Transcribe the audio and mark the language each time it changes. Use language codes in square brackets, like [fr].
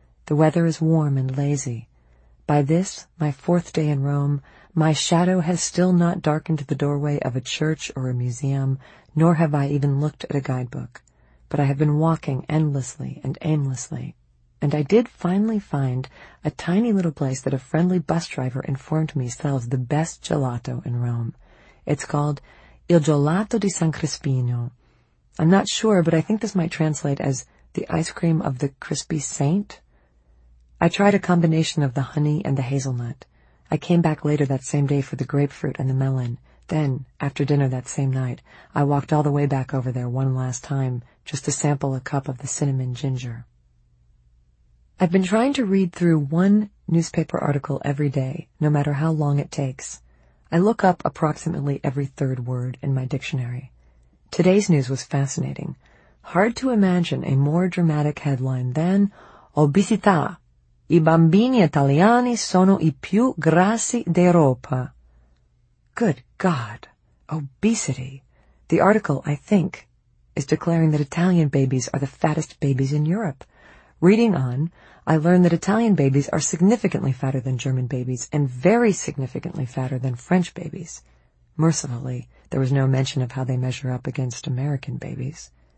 [en] The weather is warm and lazy. By this, my fourth day in Rome, my shadow has still not darkened the doorway of a church or a museum, nor have I even looked at a guidebook. But I have been walking endlessly and aimlessly. And I did finally find a tiny little place that a friendly bus driver informed me sells the best gelato in Rome. It's called Il Gelato di San Crispino. I'm not sure, but I think this might translate as the ice cream of the crispy saint. I tried a combination of the honey and the hazelnut. I came back later that same day for the grapefruit and the melon. Then, after dinner that same night, I walked all the way back over there one last time just to sample a cup of the cinnamon ginger. I've been trying to read through one newspaper article every day, no matter how long it takes. I look up approximately every third word in my dictionary. Today's news was fascinating. Hard to imagine a more dramatic headline than "Obesità. [it] I bambini italiani sono i più grassi d'Europa." [en] Good God. Obesity. The article, I think, is declaring that Italian babies are the fattest babies in Europe. Reading on, I learn that Italian babies are significantly fatter than German babies and very significantly fatter than French babies. Mercifully, there was no mention of how they measure up against American babies.